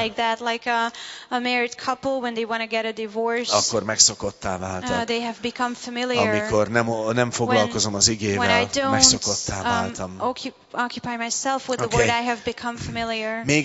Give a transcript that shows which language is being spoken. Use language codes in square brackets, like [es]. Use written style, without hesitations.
[en] like that, like a married couple when they want to get a divorce, [hu] akkor megszokottá váltak. [en] They have become familiar. [hu] Amikor nem foglalkozom az igével, megszokottá váltam. [en] Occupy myself with the word, I have become familiar.